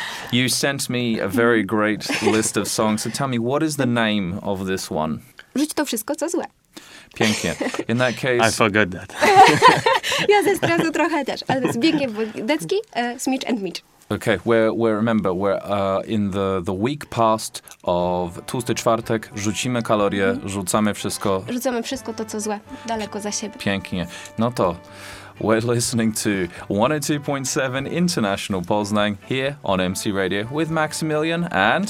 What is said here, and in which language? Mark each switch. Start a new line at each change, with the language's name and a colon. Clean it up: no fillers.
English: You sent me a very great list of songs. So tell me, what is the name of this one?
Polish: Rzuć to wszystko, co złe. Pięknie.
English: In that case... I forgot that.
Polish: Ja ze stresu trochę też. Ale Zbigniew Wodecki, Smitch and Mitch.
English: Okay, we're in the week past of Tłusty Czwartek.
Polish: Rzucimy kalorie, rzucamy wszystko. Rzucamy wszystko to, co złe, daleko za siebie. Pięknie. No to
English: we're listening to 102.7 International Poznań here on MC Radio with Maximilian and...